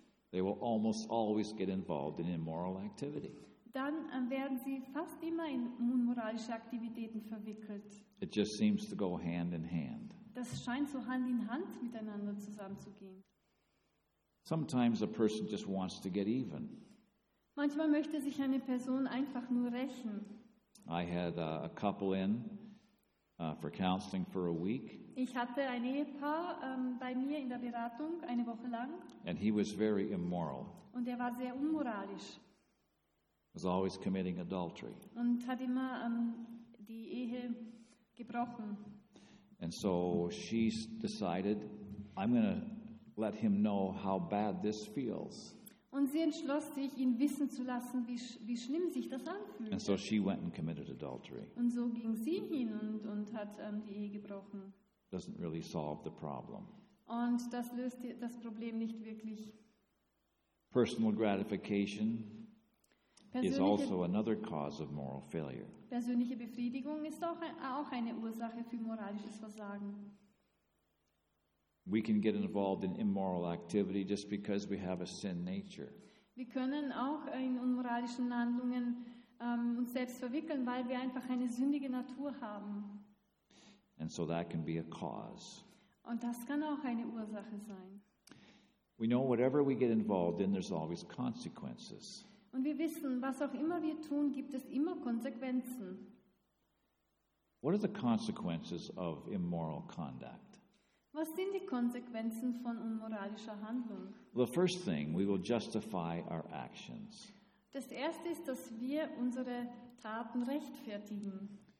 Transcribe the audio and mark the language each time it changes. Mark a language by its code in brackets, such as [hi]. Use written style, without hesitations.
[en] they will almost always get involved in immoral activity. [de] Dann werden sie fast immer in unmoralische Aktivitäten verwickelt. [en] It just seems to go hand in hand. [de] Das scheint so Hand in Hand miteinander zusammenzugehen. [en] Sometimes a person just wants to get even. [de] Manchmal möchte sich eine Person einfach nur rächen. [en] I had a couple in for counseling for a week. [de] Ich hatte ein Ehepaar bei mir in der Beratung eine Woche lang. [en] And he was very immoral. [de] Und er war sehr unmoralisch. [en] Was always committing adultery. [de] Und hat immer die Ehe gebrochen. [en] And so she decided, I'm going to let him know how bad this feels. [de] Und sie entschloss sich, ihn wissen zu lassen, wie schlimm sich das anfühlt. [en] And so she went and committed adultery. [de] Und so ging sie hin und hat die Ehe gebrochen. [en] Doesn't really solve the problem. [de] Und das löst das Problem nicht wirklich. [en] Personal gratification is also another cause of moral failure. [de] Persönliche Befriedigung ist auch eine Ursache für moralisches Versagen. [en] We can get involved in immoral activity just because we have a sin nature. [de] Wir können auch in unmoralischen Handlungen uns selbst verwickeln, weil wir einfach eine sündige Natur haben. [en] And so that can be a cause. [de] Und das kann auch eine Ursache sein. [en] We know whatever we get involved in, there's always consequences. [de] Und wir wissen, was auch immer wir tun, gibt es immer Konsequenzen. [en] What are the consequences of immoral conduct? [de] Was sind die Konsequenzen von unmoralischer Handlung? [en] The first thing, we will justify our actions. [de] Das erste ist, dass wir unsere Taten rechtfertigen.